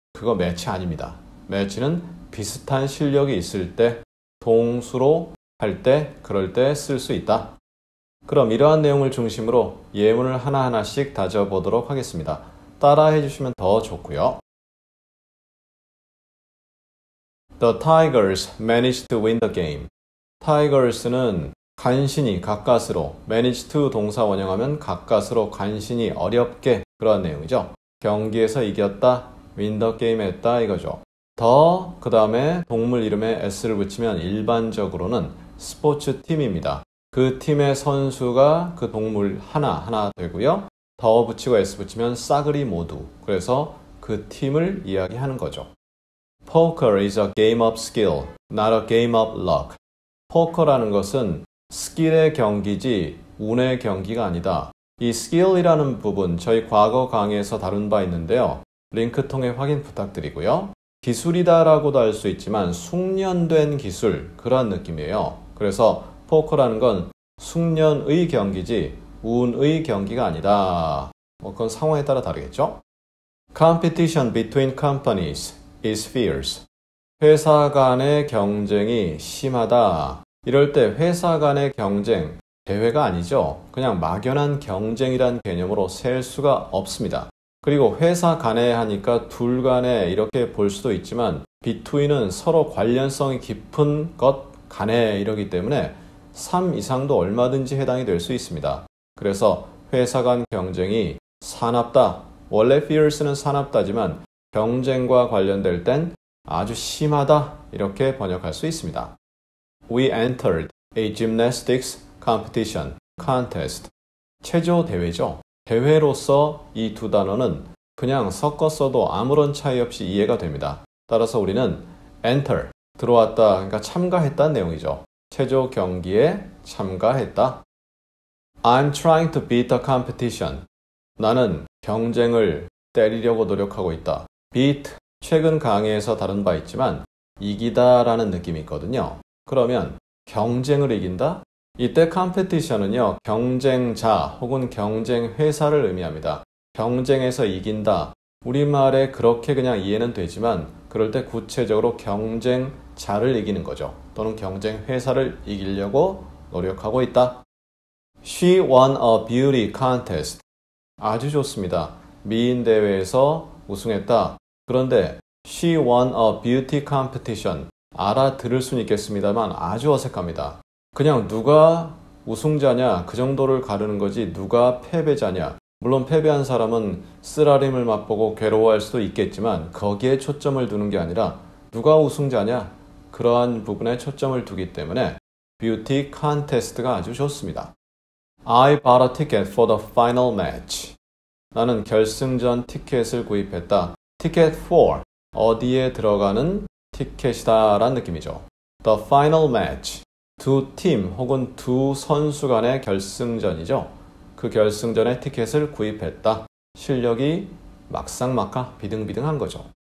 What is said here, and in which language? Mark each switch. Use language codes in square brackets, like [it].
[ko] 그거 매치 아닙니다. 매치는 비슷한 실력이 있을 때, 동수로 할 때, 그럴 때 쓸 수 있다. 그럼 이러한 내용을 중심으로 예문을 하나하나씩 다져보도록 하겠습니다. 따라해 주시면 더 좋고요. [en] The Tigers managed to win the game. [ko] Tigers는 간신히 가까스로 manage to 동사 원형하면 가까스로 간신히 어렵게 그런 내용이죠. 경기에서 이겼다, [en] win the game [ko] 했다 이거죠. 더 그 다음에 동물 이름에 s를 붙이면 일반적으로는 스포츠 팀입니다. 그 팀의 선수가 그 동물 하나 되고요. 더 붙이고 s 붙이면 싸그리 모두, 그래서 그 팀을 이야기하는 거죠. [en] Poker is a game of skill, not a game of luck. [ko] 포커라는 것은 스킬의 경기지 운의 경기가 아니다. 이 스킬이라는 부분 저희 과거 강의에서 다룬 바 있는데요. 링크 통해 확인 부탁드리고요. 기술이다 라고도 할 수 있지만 숙련된 기술, 그런 느낌이에요. 그래서 포커라는 건 숙련의 경기지 운의 경기가 아니다. 뭐 그건 상황에 따라 다르겠죠. [en] Competition between companies is fierce. [ko] 회사 간의 경쟁이 심하다. 이럴 때 회사 간의 경쟁, 대회가 아니죠. 그냥 막연한 경쟁이란 개념으로 셀 수가 없습니다. 그리고 회사 간에 하니까 둘 간에 이렇게 볼 수도 있지만 between은 서로 관련성이 깊은 것 간에 이러기 때문에 3 이상도 얼마든지 해당이 될 수 있습니다. 그래서 회사 간 경쟁이 사납다. 원래 fierce는 사납다지만 경쟁과 관련될 땐 아주 심하다. 이렇게 번역할 수 있습니다. [en] We entered a gymnastics competition contest. [ko] 체조 대회죠. 대회로서 이 두 단어는 그냥 섞어 써도 아무런 차이 없이 이해가 됩니다. 따라서 우리는 enter, 들어왔다, 그러니까 참가했다는 내용이죠. 체조 경기에 참가했다. [en] I'm trying to beat the competition. [ko] 나는 경쟁을 때리려고 노력하고 있다. beat, 최근 강의에서 다룬 바 있지만 이기다 라는 느낌이 있거든요. 그러면 경쟁을 이긴다? 이때 competition은요, 경쟁자 혹은 경쟁회사를 의미합니다. 경쟁에서 이긴다. 우리말에 그렇게 그냥 이해는 되지만 그럴 때 구체적으로 경쟁자를 이기는 거죠. 또는 경쟁회사를 이기려고 노력하고 있다. [en] She won a beauty contest. [ko] 아주 좋습니다. 미인 대회에서 우승했다. 그런데 [en] she won a beauty competition. [ko] 알아들을 수는 있겠습니다만 아주 어색합니다. 그냥 누가 우승자냐 그 정도를 가르는 거지 누가 패배자냐 물론 패배한 사람은 쓰라림을 맛보고 괴로워할 수도 있겠지만 거기에 초점을 두는 게 아니라 누가 우승자냐? 그러한 부분에 초점을 두기 때문에 뷰티 컨테스트가 아주 좋습니다. [en] I bought a ticket for the final match. [ko] 나는 결승전 티켓을 구입했다. [en] Ticket for [ko] 어디에 들어가는 티켓이다란 느낌이죠. [en] The final match. [ko] 두팀 혹은 두 선수 간의 결승전이죠. 그 결승전에 티켓을 구입했다. 실력이 막상막하 비등비등한 거죠.